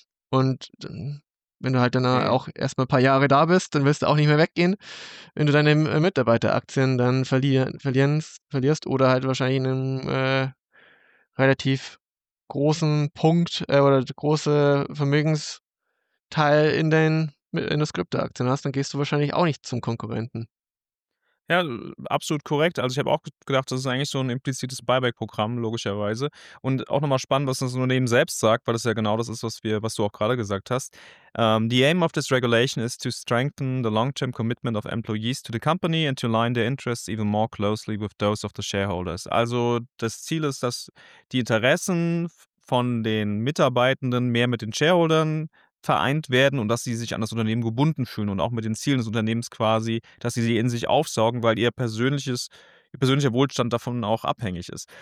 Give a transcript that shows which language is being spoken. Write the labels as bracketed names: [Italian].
[German] Und wenn du halt dann auch erstmal ein paar Jahre da bist, dann wirst du auch nicht mehr weggehen, wenn du deine Mitarbeiteraktien dann verlierst oder halt wahrscheinlich in einem relativ großen Punkt oder große Vermögensteil in das Krypto-Aktien hast, dann gehst du wahrscheinlich auch nicht zum Konkurrenten. Ja, absolut korrekt. Also ich habe auch gedacht, das ist eigentlich so ein implizites Buyback-Programm, logischerweise. Und auch nochmal spannend, was das Unternehmen selbst sagt, weil das ja genau das ist, was du auch gerade gesagt hast. [English] The aim of this regulation is to strengthen the long-term commitment of employees to the company and to align their interests even more closely with those of the shareholders. [German] Also das Ziel ist, dass die Interessen von den Mitarbeitenden mehr mit den Shareholdern vereint werden und dass sie sich an das Unternehmen gebunden fühlen und auch mit den Zielen des Unternehmens quasi, dass sie in sich aufsaugen, weil ihr persönlicher Wohlstand davon auch abhängig ist.